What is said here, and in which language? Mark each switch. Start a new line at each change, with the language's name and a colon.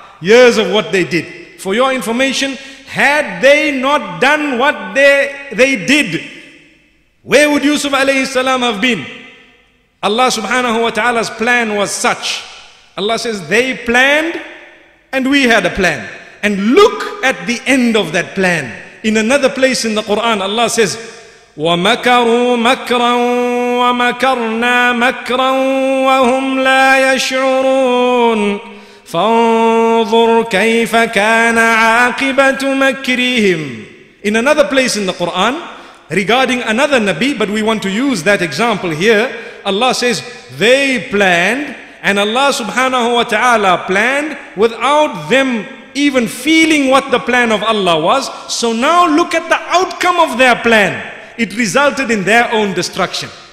English: Years of what they did. For your information, had they not done what they did, where would Yusuf alayhi salam have been? Allah subhanahu wa ta'ala's plan was such. Allah says, they planned and we had a plan. And look at the end of that plan.
Arabic: In another place in the Quran, Allah says, وَمَكَرُوا مَكْرًا وَمَكَرْنَا مَكْرًا وَهُمْ لَا يَشْعُرُونَ فَانْظُرْ كَيْفَ كَانَ عَاقِبَةُ مَكْرِهِمْ.
English: In another place in the Quran, regarding another Nabi, but we want to use that example here, Allah says, they planned, and Allah subhanahu wa ta'ala planned without them even feeling what the plan of Allah was. So now look at the outcome of their plan. It resulted in their own destruction.